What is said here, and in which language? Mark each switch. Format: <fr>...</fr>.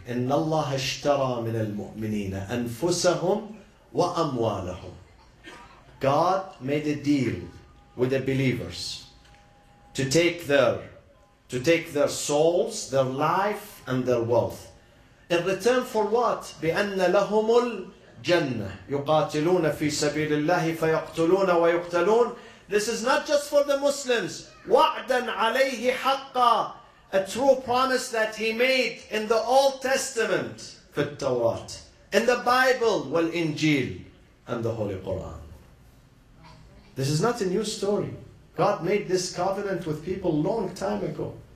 <ar>إِنَّ اللَّهَ اشْتَرَى مِنَ الْمُؤْمِنِينَ أَنفُسَهُمْ وَأَمْوَالَهُمْ</ar> <en>God made a deal with the believers to take their souls, their life, and their wealth. In return for what?</en> <ar>بِأَنَّ لَهُمُ الْجَنَّةِ يُقَاتِلُونَ فِي سَبِيلِ اللَّهِ فَيَقْتُلُونَ وَيُقْتَلُونَ</ar> <en>This is not just for the Muslims.</en> <ar>وَعْدًا عَلَيْهِ حَقًّا</ar> <en>A true promise that he made in the Old Testament,</en> <ar>في التوراة,</ar> <en>in the Bible,</en> <ar>والإنجيل,</ar> <en>and the Holy Quran. This is not a new story. God made this covenant with people long time ago.</en>